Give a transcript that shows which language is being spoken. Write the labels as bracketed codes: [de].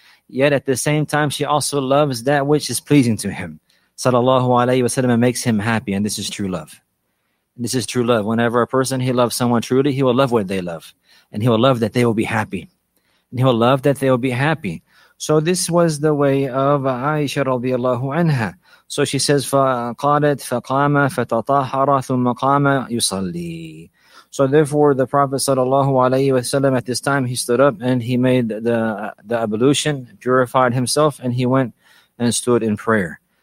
[en] Yet at the same time, she also loves that which is pleasing to him, sallallahu alayhi wa sallam, and makes him happy. And this is true love. This is true love. Whenever a person, he loves someone truly, he will love what they love. And he will love that they will be happy. And he will love that they will be happy. So this was the way of Aisha radiallahu anha. So she says, [ar] فَقَالَتْ فَقَامَ فَتَطَاحَرَ ثُمَّ قَامَ يُصَلِّي. [en] So therefore, the Prophet sallallahu alayhi wa sallam, at this time, he stood up and he made the ablution, purified himself, and he went and stood in prayer.